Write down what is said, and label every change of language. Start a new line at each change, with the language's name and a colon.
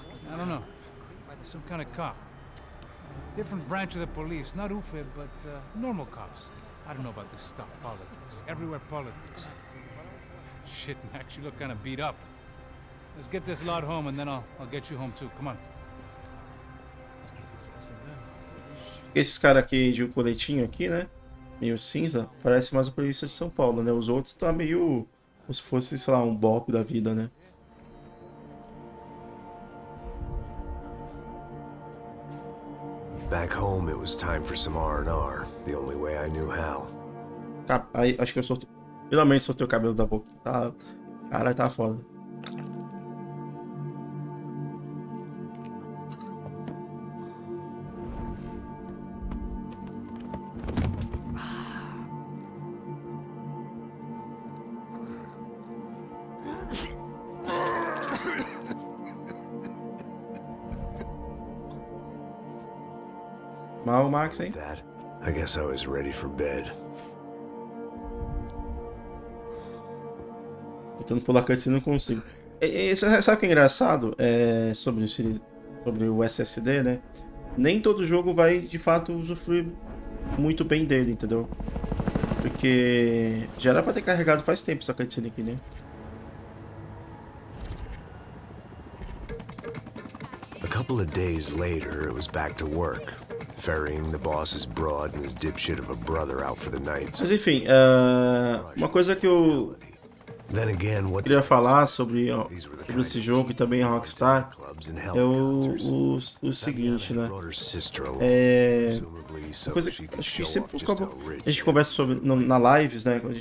English: I don't know. Some kind of cop. Different branch of the police, not UFE, but normal cops. I don't know about this stuff, politics. Everywhere politics. Shit, Max, you look kind of beat up. Let's get this lot home and then I'll get you home too. Come on.
Portuguese: Esses caras aqui de um coletinho aqui, né? Meio cinza, parece mais a polícia de São Paulo, né? Os outros tá meio como se fosse, sei lá, um bop da vida, né?
English: Back home, it was time for some R&R, the only way I knew how.
Portuguese: Aí, acho que eu soltei. Finalmente soltei o cabelo da boca. Tá, cara, tá foda. Mal, Max, hein?
English: That, I guess I was ready for bed.
Portuguese: Tentando pular a cutscene, não consigo. Sabe o que é engraçado? É sobre o SSD, né? Nem todo jogo vai, de fato, usufruir muito bem dele, entendeu? Porque já era pra ter carregado faz tempo essa cutscene aqui, né?
English: A couple of days later, it was back to work. Ferrying the boss's broad and his dipshit of a brother out for the night.
Portuguese: Mas enfim, uma coisa que eu queria falar sobre esse jogo e também Rockstar é o seguinte, né? É uma coisa que acho que sempre como a gente conversa sobre na lives, né?